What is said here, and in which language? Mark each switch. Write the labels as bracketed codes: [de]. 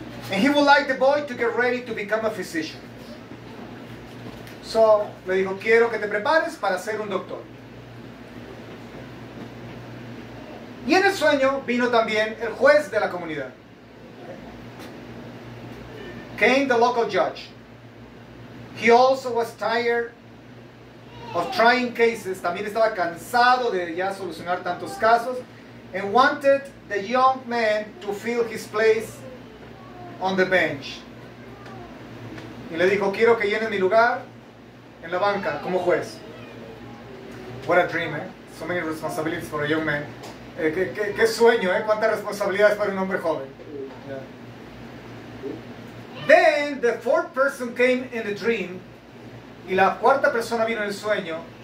[en] And he would like the boy to get ready to become a physician. [es] So, le dijo, quiero que te prepares para ser un doctor. Y en el sueño vino también el juez de la comunidad. [en] Came the local judge. He also was tired of trying cases. [es] También estaba cansado de ya solucionar tantos casos. [en] And wanted the young man to fill his place on the bench. [es] Y le dijo, quiero que llene mi lugar en la banca como juez. [en] What a dream, eh? So many responsibilities for a young man. [es] Qué sueño, eh? Cuántas responsabilidades para un hombre joven. Yeah. [en] Then the fourth person came in the dream. [es] Y la cuarta persona vino en el sueño.